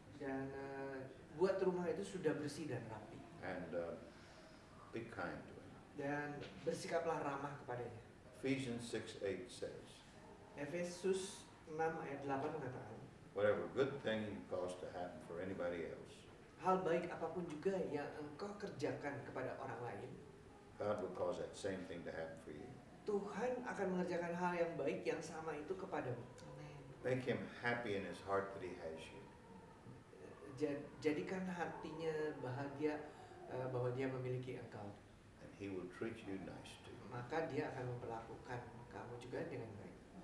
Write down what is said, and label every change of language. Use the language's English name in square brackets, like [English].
[Indonesian] Dan buat rumah itu sudah bersih dan rapi. [English] And be kind to him. [Indonesian] Dan bersikaplah ramah kepadanya. [English] Ephesians 6:8 says. [Indonesian] Efesus 6 ayat 8 mengatakan, [English] whatever good thing you cause to happen for anybody else, [Indonesian] hal baik apapun juga yang engkau kerjakan kepada orang lain, [English] God will cause that same thing to happen for you. [Indonesian] Tuhan akan mengerjakan hal yang baik yang sama itu kepadamu. [English] Make him happy in his heart that he has you. [Indonesian] Jadikan hatinya bahagia bahwa dia memiliki engkau. [English] And he will treat you nice too. [Indonesian] Maka dia akan memperlakukan kamu juga dengan baik.